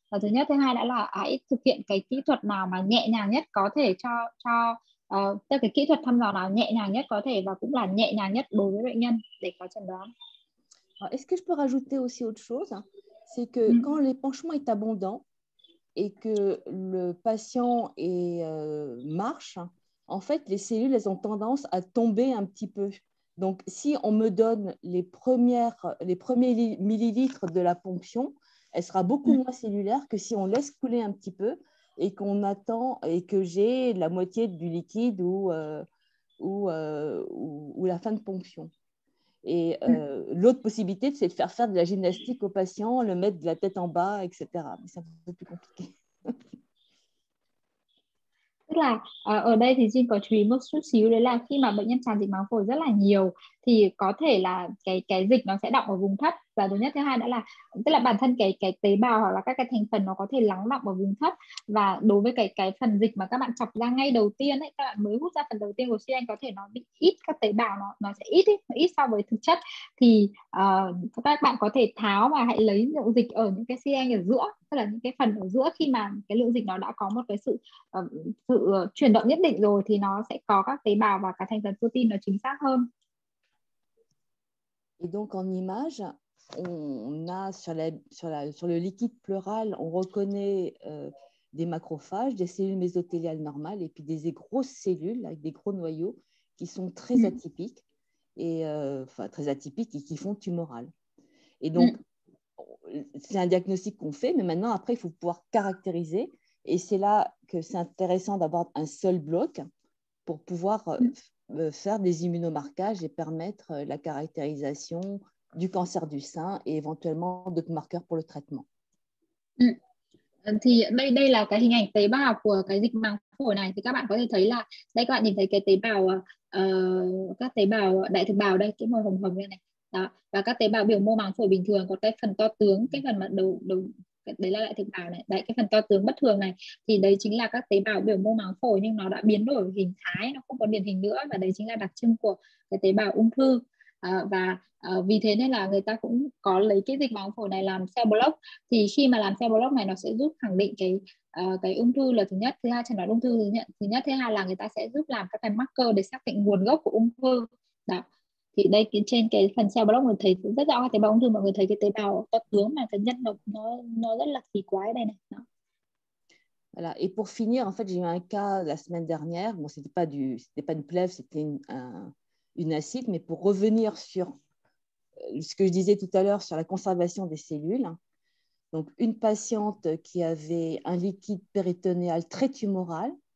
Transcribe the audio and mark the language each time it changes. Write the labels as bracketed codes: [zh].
[vi] Và thứ nhất, thứ hai đã là hãy thực hiện cái kỹ thuật nào mà nhẹ nhàng nhất có thể cho cái kỹ thuật thăm dò nào nhẹ nhàng nhất có thể và cũng là nhẹ nhàng nhất đối với bệnh nhân để có chẩn đoán. [fr] Est-ce que je peux rajouter aussi autre chose? C'est que quand l'épanchement est abondant et que le patient marche, en fait, les cellules, elles ont tendance à tomber un petit peu. Donc, si on me donne les premiers millilitres de la ponction, elle sera beaucoup moins cellulaire que si on laisse couler un petit peu et qu'on attend et que j'ai la moitié du liquide ou la fin de ponction. Et l'autre possibilité, c'est de faire de la gymnastique au patient, le mettre de la tête en bas, etc. Mais c'est un peu plus compliqué. [vi] Tức là ở đây thì Jean có chú ý một chút xíu, đấy là khi mà bệnh nhân tràn dịch màng phổi rất là nhiều thì có thể là cái dịch nó sẽ đọng ở vùng thấp. Và thứ nhất, thứ hai đó là tức là bản thân cái tế bào hoặc là các cái thành phần nó có thể lắng đọng ở vùng thấp, và đối với cái phần dịch mà các bạn chọc ra ngay đầu tiên ấy, các bạn mới hút ra phần đầu tiên của xi lanh, có thể nó bị ít các tế bào, nó sẽ ít ấy, nó ít so với thực chất, thì các bạn có thể tháo và hãy lấy lượng dịch ở những cái xi lanh ở giữa, tức là những cái phần ở giữa, khi mà cái lượng dịch nó đã có một cái sự chuyển động nhất định rồi thì nó sẽ có các tế bào và các thành phần protein nó chính xác hơn. [fr] Et donc en image, on a sur le liquide pleural, on reconnaît des macrophages, des cellules mésothéliales normales et puis des grosses cellules avec des gros noyaux qui sont très atypiques et très atypiques et qui font tumorales. Et donc c'est un diagnostic qu'on fait, mais maintenant après il faut pouvoir caractériser. Et c'est là que c'est intéressant d'avoir un seul bloc pour pouvoir faire des immunomarquages et permettre la caractérisation du cancer du sein et éventuellement d'autres marqueurs pour le traitement. [vi] Thì đây đây là cái hình ảnh tế bào của cái dịch màng phổi này, thì các bạn có thể thấy là đây, các bạn nhìn thấy cái tế bào các tế bào đại thực bào đây, cái màu hồng hồng này đó, và các tế bào biểu mô màng phổi bình thường có cái phần to tướng, cái phần mà đầu đấy là đại thực bào này, đại cái phần to tướng bất thường này, thì đấy chính là các tế bào biểu mô màng phổi nhưng nó đã biến đổi hình thái, nó không còn điển hình nữa, và đấy chính là đặc trưng của cái tế bào ung thư. Và vì thế nên là người ta cũng có lấy cái dịch màng phổi này làm cell block. Thì khi mà làm cell block này, nó sẽ giúp khẳng định cái ung thư là thứ nhất, thứ hai chẩn đoán ung thư thứ nhất, thứ hai là người ta sẽ giúp làm các cái marker để xác định nguồn gốc của ung thư. Đó. Thì đây trên cái phần cell block mình thấy rất rõ tế bào ung thư, mọi người thấy cái tế bào to tướng mà thứ nhất nó rất là kỳ quái đây này. Đó. [fr] Voilà. Et pour finir, en fait, j'ai eu un cas la semaine dernière. Bon, c'était pas une plèvre, c'était une acide, mais pour revenir sur ce que je disais tout à l'heure sur la conservation des cellules, donc une patiente qui avait un liquide péritonéal très tumoral